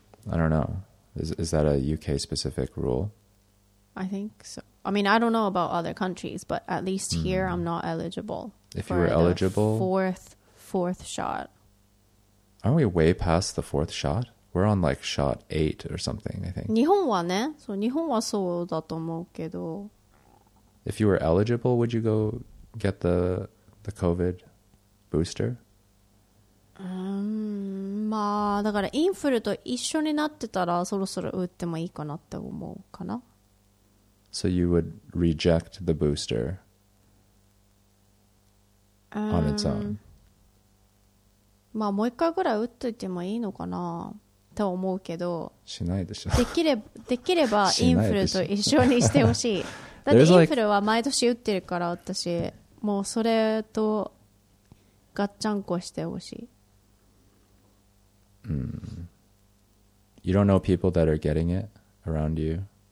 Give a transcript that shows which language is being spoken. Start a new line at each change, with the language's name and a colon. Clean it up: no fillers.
English: I don't know. Is that a UK specific rule? I think so. I mean, I don't know about other countries, but at least here I'm not eligible. If you were eligible? Fourth shot. Aren't we way past the fourth shot? We're on like shot 8 or something, I think.
Japanese: 日本はね、そう、日本はそうだと思うけど。
English: If you were eligible, would you go get the COVID booster?
Japanese: まあ、だからインフルと一緒になってたらそろそろ打ってもいいかなって思うかな。
English: So you would reject the booster on its own?
Japanese: まあもう一回ぐらい打っといてもいいのかなって思うけど。しないでしょ。できれば、インフルと一緒にしてほしい。だってインフルは毎年打ってるから私、もうそれとガッチャンコしてほしい。
English: You don't know people that are getting it around you?